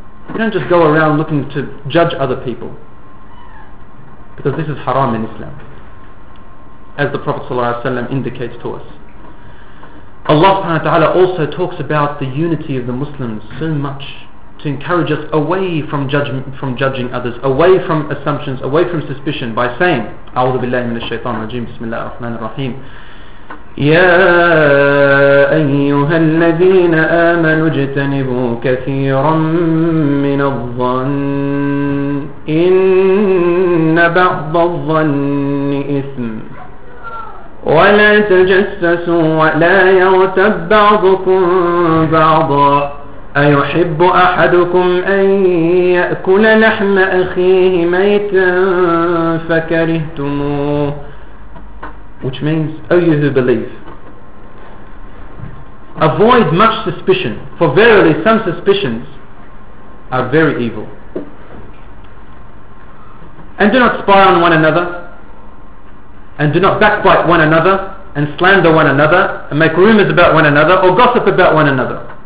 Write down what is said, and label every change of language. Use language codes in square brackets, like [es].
[en] You don't just go around looking to judge other people, because this is haram in Islam, as the Prophet ﷺ indicates to us. Allah subhanahu wa ta'ala also talks about the unity of the Muslims so much to encourage us away from judgment, from judging others, away from assumptions, away from suspicion, by saying, [ar] أعوذ بالله من الشيطان الرجيم بسم الله الرحمن الرحيم. يا أيها الذين آمنوا اجتنبوا كثيرا من الظن إن بعض الظن إثم ولا تجسسوا ولا يغتب بعضكم بعضا أيحب أحدكم أن يأكل لحم أخيه ميتا فكرهتموه. [en] Which means, O you who believe, avoid much suspicion, for verily some suspicions are very evil. And do not spy on one another, and do not backbite one another, and slander one another, and make rumors about one another, or gossip about one another.